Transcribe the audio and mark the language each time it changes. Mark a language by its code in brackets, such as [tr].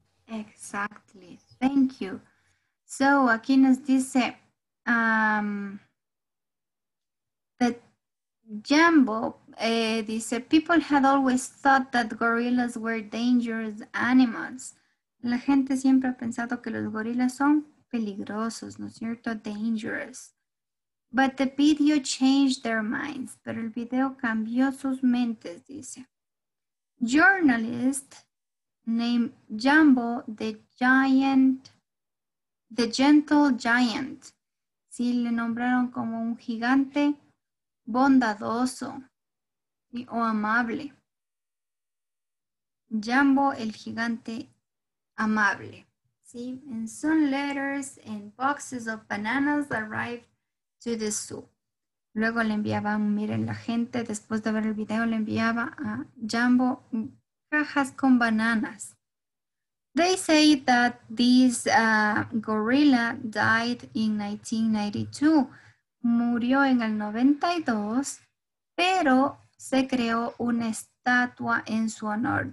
[en] Exactly. Thank you. So, [es] aquí nos dice [en] that Jumbo [es] dice, [en] people had always thought that gorillas were dangerous animals. [es] La gente siempre ha pensado que los gorilas son peligrosos, ¿no es cierto? Dangerous. [en] But the video changed their minds. [es] Pero el video cambió sus mentes, dice. [en] Journalists named Jumbo, the gentle giant. [es] Sí, le nombraron como un gigante bondadoso o amable. Jumbo, el gigante amable. [en] Sí, and soon letters and boxes of bananas arrived to the zoo. [es] Luego le enviaba, miren, la gente, después de ver el video, le enviaba a Jumbo cajas con bananas. [en] They say that this gorilla died in 1992. [es] Murió en el 92, pero se creó una estatua en su honor.